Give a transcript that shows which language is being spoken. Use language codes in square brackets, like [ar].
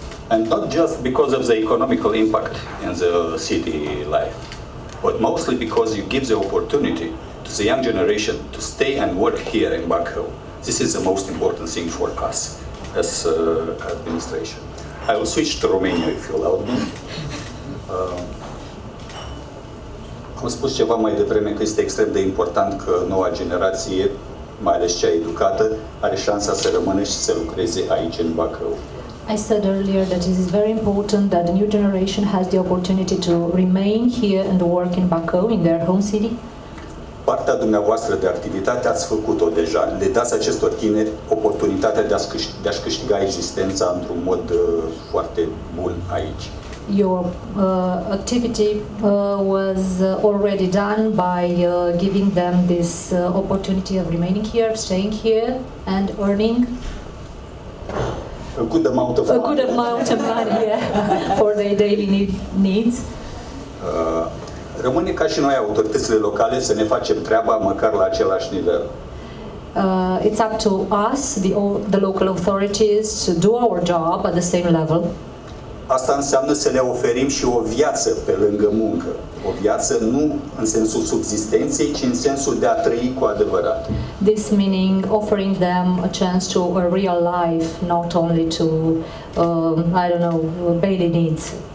[en] And not just because of the economical impact in the city life, but mostly because you give the opportunity to the young generation to stay and work here in Bacau. This is the most important thing for us as administration. I will switch to Romania if you allow me. [ro] Am spus ceva mai devreme că este extrem de important că noua generație, mai ales cea educată, are șansa să rămână și să lucreze aici în Bacau. [en] I said earlier that it is very important that the new generation has the opportunity to remain here and work in Bacau, in their home city. [ro] Partea dumneavoastră de activitate ați făcut-o deja. Le dați acestor tineri oportunitatea de a-și câștiga existența într-un mod foarte bun aici. [en] Your activity was already done by giving them this opportunity of remaining here, staying here and earning a good amount of money. A good amount of money, yeah, for their daily needs. [ro] Rămâne ca și noi autoritățile locale să ne facem treaba măcar la același nivel. [en] It's up to us, the local authorities, to do our job at the same level. [ro] Asta înseamnă să le oferim și o viață pe lângă muncă. O viață nu în sensul subzistenței, ci în sensul de a trăi cu adevărat. [en] This meaning offering them a chance to a real life, not only to, I don't know, basic needs.